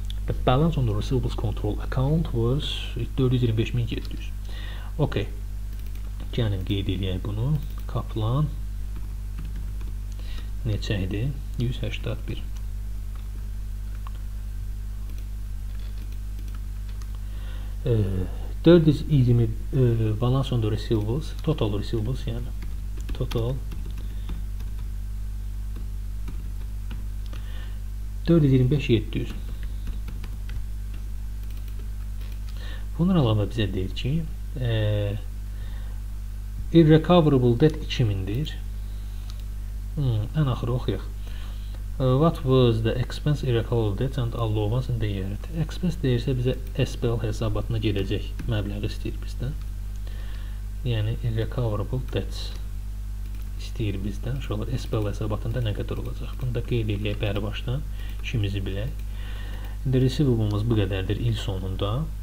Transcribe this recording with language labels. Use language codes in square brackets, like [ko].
[en] The balance on the receivables control account was 425.700. Okey. [az] Gəlin qeyd edək bunu. Kaplan neçə idi? 181. [en] Balance on the receivables, total receivables, yani total 425.700. [az] Bunun alanı bize deyir ki irrecoverable debt 2000'dir. En axırı oxuyaq. [en] What was the expense irrecoverable debt and allowance in the year? [az] Expense deyirsə bizə SPL hesabatına gedəcək məbləği istəyir bizdən. Yəni irrecoverable debt istəyir bizdən. Şöyle SPL hesabatında nə qədər olacaq? Bunu da qeyd edək bəri başdan. İşimizi bilək. İndi receivable-ımız bu qədərdir il sonunda.